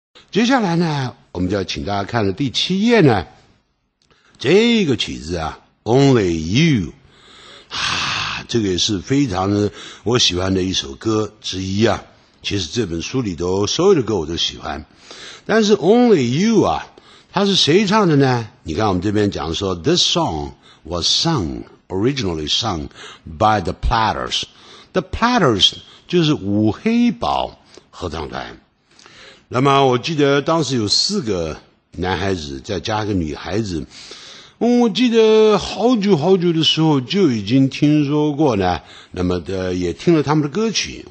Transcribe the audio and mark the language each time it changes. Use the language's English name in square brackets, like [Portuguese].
[Chinese] 接下来呢，我们就要请大家看的第七页呢，这个曲子啊 Only You 啊，这个也是非常的我喜欢的一首歌之一啊。其实这本书里头所有的歌我都喜欢，但是 Only You 啊，它是谁唱的呢？你看我们这边讲说 [English] This song was sung originally sung by the Platters， The Platters [Chinese] 就是五黑堡合唱团。那么我记得当时有四个男孩子再加一个女孩子，我记得好久好久的时候就已经听说过呢，那么的也听了他们的歌曲。